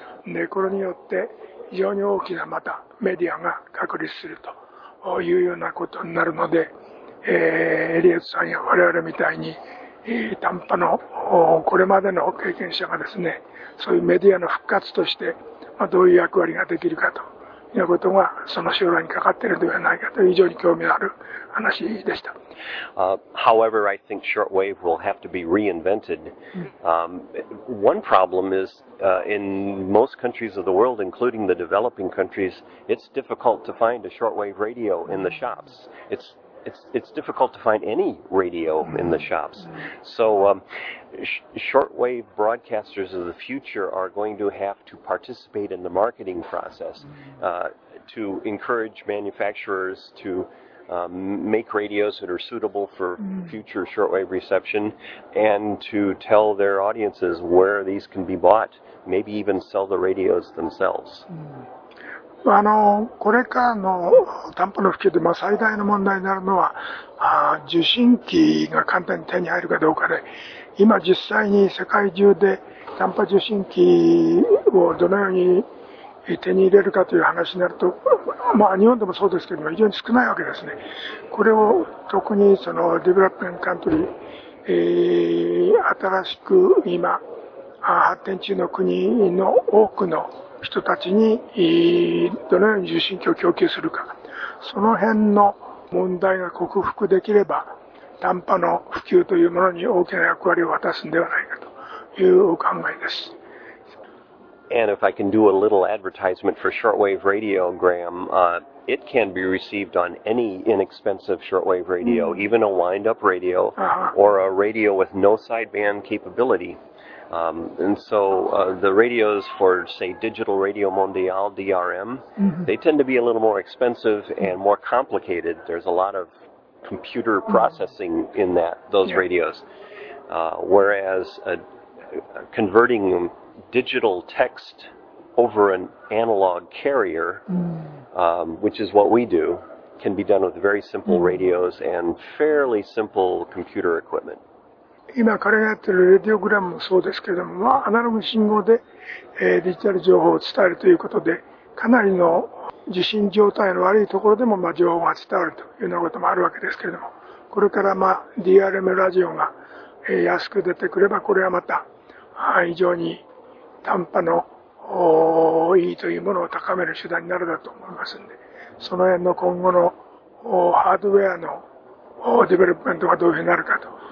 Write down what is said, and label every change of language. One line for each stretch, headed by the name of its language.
Japanese: でこれによって非常に大きなまたメディアが確立するというようなことになるので、エリエットさんや我々みたいに短波のこれまでの経験者がですね、そういうメディアの復活としてどういう役割ができるかということがその将来にかかっているのではないかという非常に興味のある話でした。
English: However, I think shortwave will have to be reinvented. One problem is in most countries of the world, including the developing countries, it's difficult to find a shortwave radio in the shops. It's difficult to find any radio in the shops. So, shortwave broadcasters of the future are going to have to participate in the marketing process to encourage manufacturers to make radios that are suitable for future shortwave reception and to tell their audiences where these can be bought, maybe even sell the radios themselves.
Japanese: これからの短波の普及で、まあ、最大の問題になるのは受信機が簡単に手に入るかどうかで、今実際に世界中で短波受信機をどのように手に入れるかという話になると、まあ、日本でもそうですけども非常に少ないわけですね。これを特にそのディベロップメントカントリー、新しく今発展中の国の多くの人たちにどのように受信機を供給するか、その辺の問題が克服できれば短波の普及というものに大きな役割を果たすのではないかというお考えです。
English: And if I can do a little advertisement for shortwave radio, Graham, it can be received on any inexpensive shortwave radio, even a wind-up radio, or a radio with no sideband capability. The radios for, say, Digital Radio Mondial, DRM, they tend to be a little more expensive and more complicated. There's a lot of computer processing in those radios. Whereas converting digital text over an analog carrier, which is what we do, can be done with very simple radios and fairly simple computer equipment.
Japanese: 今彼がやってるレディオグラムもそうですけれども、まあ、アナログ信号で、デジタル情報を伝えるということで、かなりの受信状態の悪いところでも、まあ、情報が伝わるというようなこともあるわけですけれども、これから、まあ、DRM ラジオが、安く出てくれば、これはまた非常に短波の意義というものを高める手段になるだと思いますので、その辺の今後のハードウェアのデベロップメントがどういうふうになるかと。